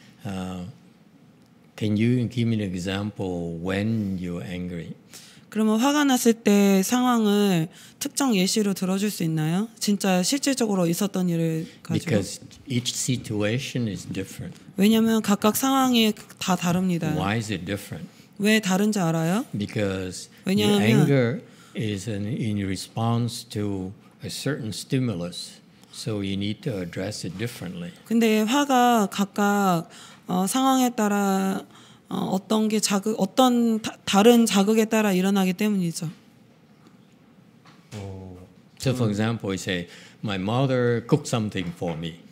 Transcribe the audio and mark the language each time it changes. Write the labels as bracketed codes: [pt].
[en] Can you give me an example when you're angry? [ko] 그러면 화가 났을 때 상황을 특정 예시로 들어줄 수 있나요? 진짜 실질적으로 있었던 일을 가지고. [en] Because each situation is different. [ko] 왜냐면 각각 상황이 다 다릅니다. [en] Why is it different? [ko] 왜 다른지 알아요? [en] Because [ko] 왜냐하면, [en] your anger is in response to a certain stimulus. So you need to address it differently. [ko] 근데 화가 각각 상황에 따라 어떤 게 자극 어떤 다른 자극에 따라 일어나기 때문이죠. [en] So for example, you say my mother cooked something for me.